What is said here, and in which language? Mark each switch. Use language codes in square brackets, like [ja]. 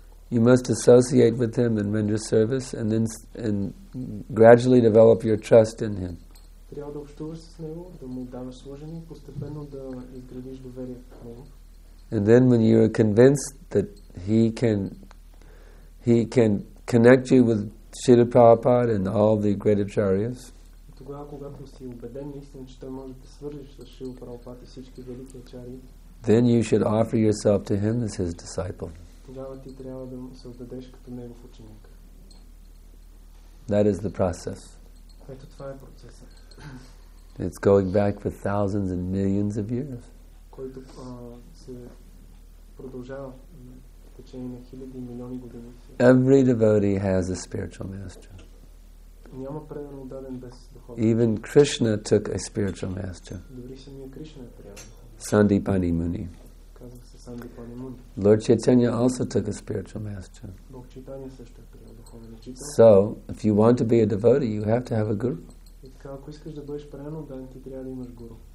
[en] You must associate with him and render service, and then and gradually develop your trust in him. [bg] Трябва да общуваш с него, да му даваш служение и постепенно да изградиш доверие в него. [en] And then when you are convinced that he can connect you with Srila Prabhupada and all the great acharyas. [bg] Тогава, когато си убеден наистина, че той може да те свържиш с Шрила Прабхупада и всички велики ачари, [en] then you should offer yourself to him as his disciple. [bg] Тогава ти трябва да се отдадеш като негов ученик. [en] That is the process. [bg] Ето това е процесът. [en] It's going back for thousands and millions of years. [bg] Който се продължава в течение на хиляди и милиони години. [en] Every devotee has a spiritual master. [bg] Няма предан отдаден без духовен. [en] Even Krishna took a spiritual master. [bg] Дори самия Кришна е приемал. Сандипани Муни. Казва се Сандипани Муни. [en] Lord Chaitanya also took a spiritual master. [bg] Бог Чайтанья също е приемал духовен учител. [en] So, if you want to be a devotee, you have to have a guru. [bg] И така, ако искаш да бъдеш правен отдаден, ти трябва да имаш гуру.